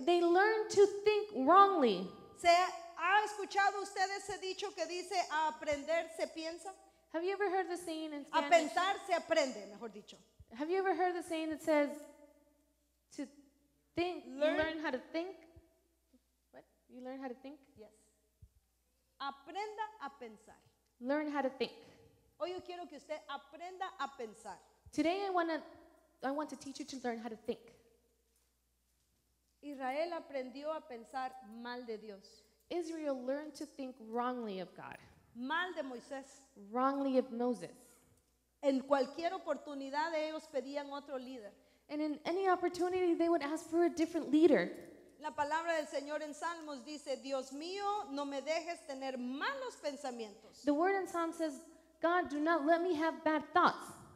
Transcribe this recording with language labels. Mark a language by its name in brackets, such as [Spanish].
[English] They learned to think wrongly. [Spanish] ¿Se ha escuchado usted ese dicho que dice a aprender se piensa? [English] Have you ever heard the saying in Spanish? [Spanish] A pensar se aprende, mejor dicho. [English] Have you ever heard the saying that says to think, learn how to think? What? You learn how to think? [Spanish] Yes. Aprenda a pensar. [English] Learn how to think. [Spanish] Hoy yo quiero que usted aprenda a pensar. [English] Today I want to teach you to learn how to think. [Spanish] Israel aprendió a pensar mal de Dios. [English] Israel learned to think wrongly of God. [Spanish] Mal de Moisés. [English] Wrongly of Moses. [Spanish] En cualquier oportunidad ellos pedían otro líder. [English] And in any opportunity they would ask for a different leader. [Spanish] La palabra del Señor en Salmos dice, Dios mío, no me dejes tener malos pensamientos. [English] The word in Psalms says, God, do not let me have bad thoughts.